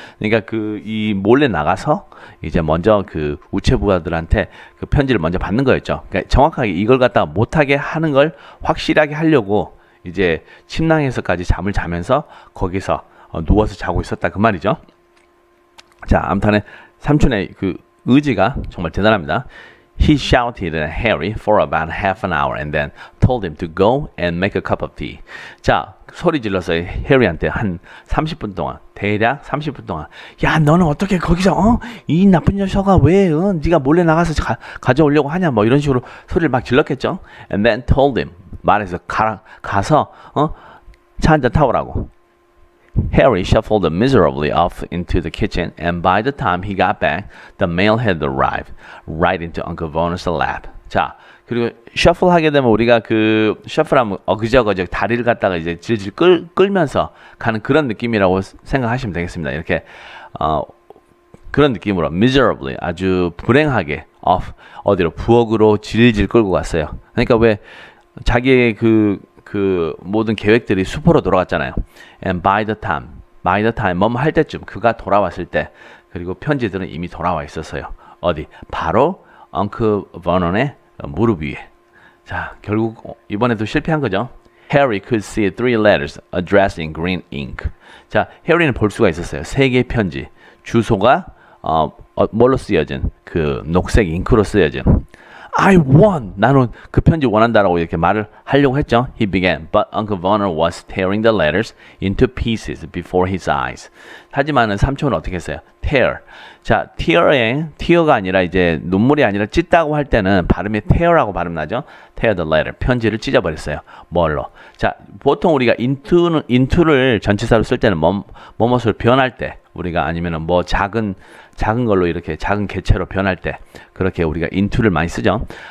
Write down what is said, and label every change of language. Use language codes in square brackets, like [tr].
[ko] 그러니까 그이 몰래 나가서 이제 먼저 그 우체부 아들한테 그 편지를 먼저 받는 거였죠. 그러니까 정확하게 이걸 갖다 못하게 하는 걸 확실하게 하려고 이제 침낭에서까지 잠을 자면서 거기서 누워서 자고 있었다 그 말이죠. 자, 암튼에 삼촌의 그 의지가 정말 대단합니다. [en] He shouted at Harry for about half an hour and then told him to go and make a cup of tea. [ko] 자, 소리 질러서 해리한테 한 30분 동안, 대략 30분 동안, 야, 너는 어떻게 거기서, 이 나쁜 녀석아, 왜, 네가 몰래 나가서 가져오려고 하냐, 뭐 이런 식으로 소리를 막 질렀겠죠? [en] And then told him, [ko] 말해서 가서, 차 한잔 타오라고. [en] Harry shuffled miserably off into the kitchen, and by the time he got back, the mail had arrived right into Uncle Vernon's lap. [ko] 자, 그리고 shuffle 하게 되면 우리가 그 shuffle 하면 어그저그저 다리를 갖다가 이제 질질 끌면서 가는 그런 느낌이라고 생각하시면 되겠습니다. 이렇게 그런 느낌으로 miserably 아주 불행하게 off 어디로 부엌으로 질질 끌고 갔어요. 그러니까 왜 자기의 그 모든 계획들이 수포로 돌아갔잖아요. [en] And by the time, [ko] 뭐할 때쯤 그가 돌아왔을 때, 그리고 편지들은 이미 돌아와 있었어요. 어디? 바로 엉클 버논의 무릎 위에. 자, 결국 이번에도 실패한 거죠. [en] Harry could see three letters addressed in green ink. [ko] 자, 해리는 볼 수가 있었어요. 세 개의 편지. 주소가 뭘로 쓰여진? 그 녹색 잉크로 쓰여진. [en] I won! [ko] 나는 그 편지 원한다라고 이렇게 말을 하려고 했죠. [en] He began, but Uncle Vernon was tearing the letters into pieces before his eyes. [ko] 하지만은 삼촌은 어떻게 했어요? tear. 자, tear가 아니라 이제 눈물이 아니라 찢다고 할 때는 발음이 tear라고 발음 나죠? [en] tear the letter. [ko] 편지를 찢어버렸어요. 뭘로? 자, 보통 우리가 into를 전치사로 쓸 때는 뭐뭐뭐로 변할 때, 우리가 아니면은 뭐 작은 걸로 이렇게 작은 개체로 변할 때 그렇게 우리가 인투를 많이 쓰죠.